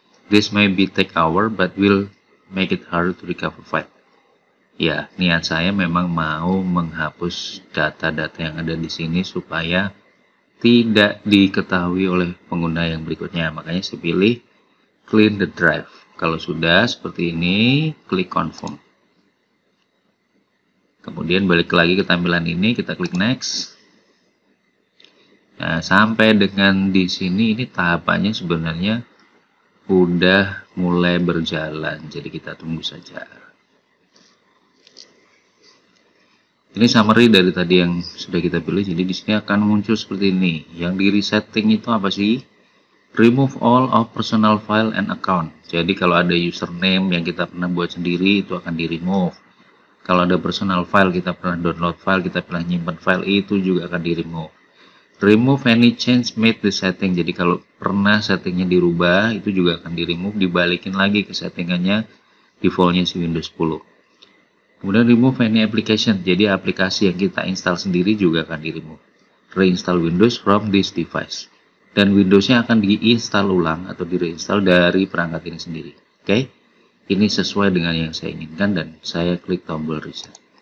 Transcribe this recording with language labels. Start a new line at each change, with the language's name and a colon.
English: This may be take hour, but will make it hard to recover file.
Indonesian: Ya, niat saya memang mau menghapus data-data yang ada di sini supaya tidak diketahui oleh pengguna yang berikutnya. Makanya saya pilih clean the drive. Kalau sudah seperti ini, klik confirm. Kemudian balik lagi ke tampilan ini, kita klik next. Nah, sampai dengan di sini ini tahapannya sebenarnya udah mulai berjalan. Jadi kita tunggu saja. Ini summary dari tadi yang sudah kita pilih. Jadi di sini akan muncul seperti ini. Yang di resetting itu apa sih?
English: Remove all of personal file and account.
Indonesian: Jadi kalau ada username yang kita pernah buat sendiri itu akan di remove. Kalau ada personal file, kita pernah download file, kita pernah nyimpan file, itu juga akan di remove.
English: Remove any change made the setting.
Indonesian: Jadi kalau pernah settingnya dirubah, itu juga akan di remove, dibalikin lagi ke settingannya defaultnya si Windows 10. Kemudian
English: remove any application.
Indonesian: Jadi aplikasi yang kita install sendiri juga akan di remove.
English: Reinstall Windows from this device.
Indonesian: Dan Windowsnya akan diinstall ulang atau direinstall dari perangkat ini sendiri. Oke? Okay? Ini sesuai dengan yang saya inginkan dan saya klik tombol reset.